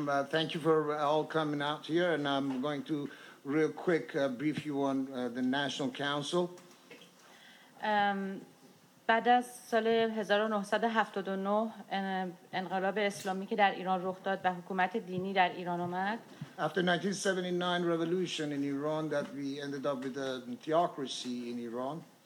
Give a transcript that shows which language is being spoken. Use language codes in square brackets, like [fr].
[en] Thank you for all coming out here, and I'm going to real quick brief you on the National Council. [fa] بعد از سال 1979 انقلاب اسلامی که در ایران رخ داد و حکومت دینی در ایران اومد. [en] After 1979 revolution in Iran that we ended up with a theocracy in Iran.